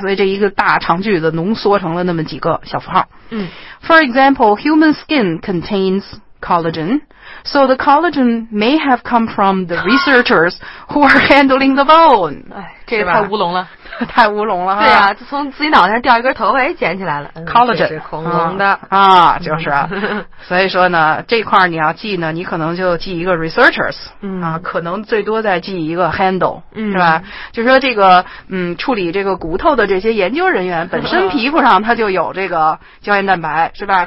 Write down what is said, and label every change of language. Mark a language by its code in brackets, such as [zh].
[zh] 所以这一个大长句子浓缩成了那么几个小符号。嗯 [en] ，For example, human skin contains collagen, so the collagen may have come from the researchers who are handling the bone。 [zh] 哎，这也太乌龙了，太乌龙了。对啊，就从自己脑袋上掉一根头发，哎，捡起来了。 [en] Collagen [zh] 是恐龙的啊，就是啊。所以说呢，这块你要记呢，你可能就记一个 researchers，嗯，啊，可能最多再记一个 handle，嗯，是吧？就说这个，嗯，处理这个骨头的这些研究人员本身皮肤上它就有这个胶原蛋白，是吧？